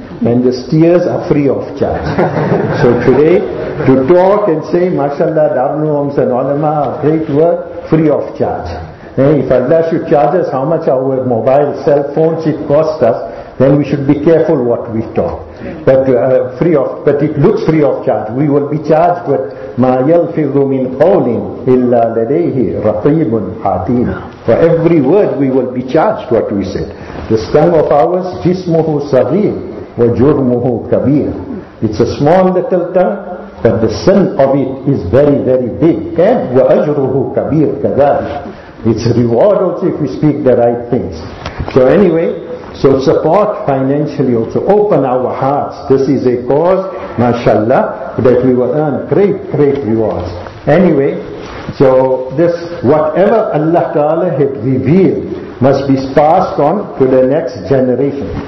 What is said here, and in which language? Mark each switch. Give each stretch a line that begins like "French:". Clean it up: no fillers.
English: And the steers are free of charge. So today, to talk and say, MashaAllah, Darul Homs and Ulama are great work, free of charge. And if Allah should charge us how much our mobile cell phones it cost us, then we should be careful what we talk. But but it looks free of charge. We will be charged with
Arabic: مَا يَلْفِظُ مِنْ قَوْلٍ إِلَّا لَدَيْهِ رَقِيبٌ حَاتِيمٌ.
English: For every word we will be charged what we said. The tongue of ours,
Arabic: جِسْمُهُ صَغِيرٌ وَجُرْمُهُ كَبِيرٌ.
English: It's a small little tongue, but the sin of it is very, very big.
Arabic: And وَأَجْرُهُ كَبِيرٌ كَذَلِكَ.
English: It's a reward also if we speak the right things. So anyway, so support financially also, open our hearts. This is a cause, mashallah, that we will earn great, great rewards. Anyway, so this, whatever Allah Ta'ala had revealed, must be passed on to the next generation.